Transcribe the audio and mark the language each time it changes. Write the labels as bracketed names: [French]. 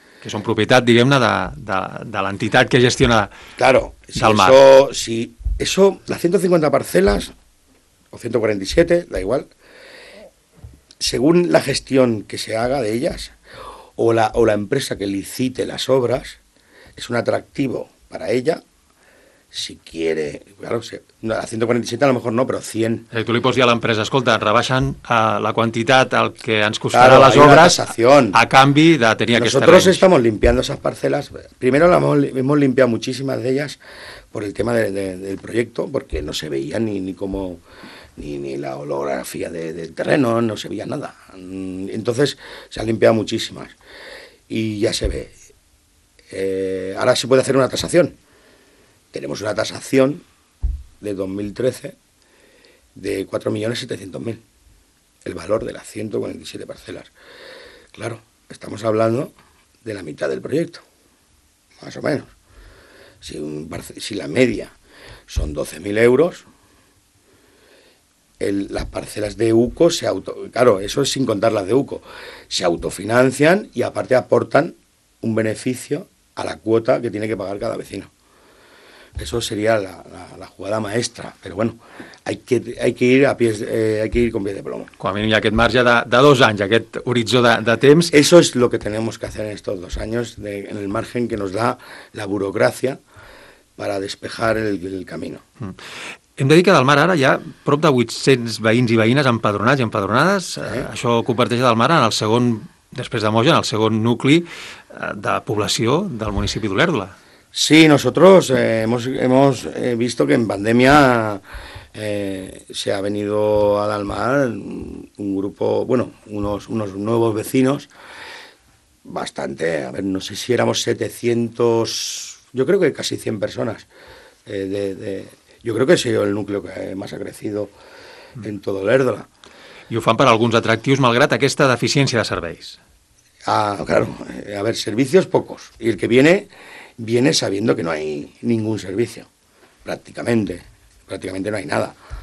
[Catalan] Que són propietat, diguem-ne, de l'entitat que gestiona, [Spanish] claro, del si mar. Claro, si eso, las 150 parcel·les, o 147, da igual, según la gestión que se haga de ellas o la empresa que licite las obras, es un atractivo para ella, si quiere, claro, si, no, a 147 a lo mejor no, però 100. [Catalan] Tu li pots dir a l'empresa, escolta, rebaixen la quantitat al que ens costarà, claro, les obres a canvi de tenir aquests [Spanish] terrenys. Nosotros estamos limpiando esas parcelas. Primero las hemos limpiado muchísimas de ellas por el tema del proyecto, porque no se veía ni como ni la orografía del terreno, no se veía nada. Entonces se han limpiado muchísimas y ya se ve. Ahora se puede hacer una tasación. Tenemos una tasación de 2013 de 4.700.000, el valor de las 147 parcelas. Claro, estamos hablando de la mitad del proyecto, más o menos. Si la media son 12.000 euros, las parcelas de UCO se auto... Claro, eso es sin contar las de UCO. Se autofinancian y aparte aportan un beneficio a la cuota que tiene que pagar cada vecino. Eso sería la jugada maestra, pero bueno, hay que ir a pies, hay que ir con pies de plomo. [Catalan] Com a mínim hi ha aquest marge de dos anys, aquest horitzó de temps. [Spanish] Eso es lo que tenemos que hacer en estos dos años, en el margen que nos da la burocracia para despejar el camino. [Catalan] Hem de dir que del mar ara hi ha prop de 800 veïns i veïnes empadronats i empadronades. Això converteix del mar en el segon, després de Moja, en el segon nucli de població del municipi d'Olèrdola. [Spanish] Sí, nosotros hemos visto que en pandemia se ha venido a Dalmar un grupo, bueno, unos nuevos vecinos, bastante, a ver, no sé si éramos 700, yo creo que casi 100 personas. Yo creo que soy el núcleo que más ha crecido en todo Olèrdola. [Catalan] I ho fan per alguns atractius, malgrat aquesta deficiència de serveis. [Spanish] Ah, claro, a ver, servicios pocos, y el que viene sabiendo que no hay ningún servicio, prácticamente no hay nada.